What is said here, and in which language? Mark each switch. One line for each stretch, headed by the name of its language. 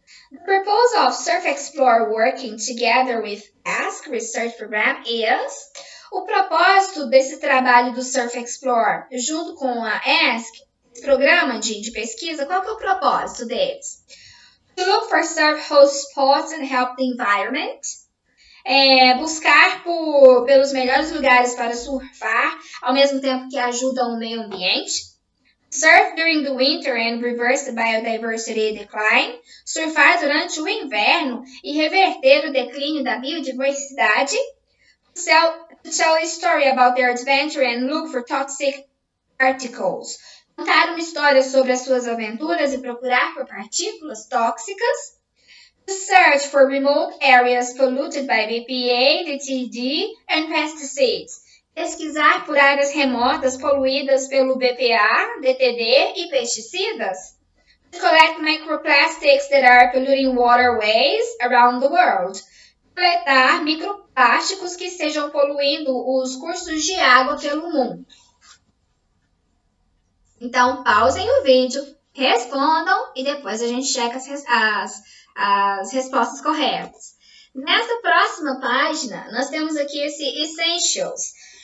English: The purpose of Surf Explorer working together with Ask Research Program is...
Portuguese: O propósito desse trabalho do Surf Explorer junto com a ESC, esse programa de pesquisa, qual que é o propósito deles?
English: To look for surf host spots and help the environment.
Portuguese: Buscar pelos melhores lugares para surfar, ao mesmo tempo que ajudam o meio ambiente.
English: Surf during the winter and reverse the biodiversity decline.
Portuguese: Surfar durante o inverno e reverter o declínio da biodiversidade.
English: To tell a story about their adventure and look for toxic particles.
Portuguese: Contar uma história sobre as suas aventuras e procurar por partículas tóxicas.
English: To search for remote areas polluted by BPA, DTD and pesticides.
Portuguese: Pesquisar por áreas remotas poluídas pelo BPA, DTD e pesticidas.
English: To collect microplastics that are polluting waterways around the world.
Portuguese: Coletar microplásticos que estejam poluindo os cursos de água pelo mundo. Então, pausem o vídeo, respondam e depois a gente checa as respostas corretas. Nessa próxima página, nós temos aqui esse Essentials.